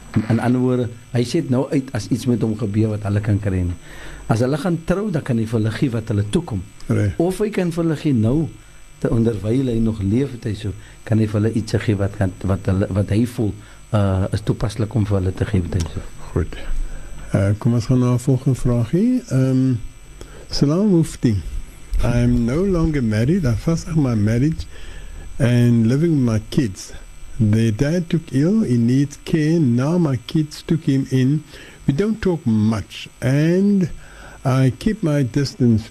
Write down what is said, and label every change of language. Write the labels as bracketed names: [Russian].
[Afrikaans] In ander woorde, hy sê het nou uit as iets met hom gebeur wat hulle kan kry. As hulle gaan trou, dan kan hy vir hulle gee wat hulle toekom. [English] Right. [Afrikaans] Of hy kan vir hulle gee nou, te onderwijl hy nog leef, het hy so, kan hy vir hulle iets gee wat hy voel, is toepaslik om vir hulle te gee. Het hy so. Goed. Kom, ons gaan na een volgende vraag hier. Salam Mufti. [English] I am no longer married. I vastig my marriage and living with my kids. Their dad took ill, he needs care, now my kids took him in. We don't talk much, and I keep my distance.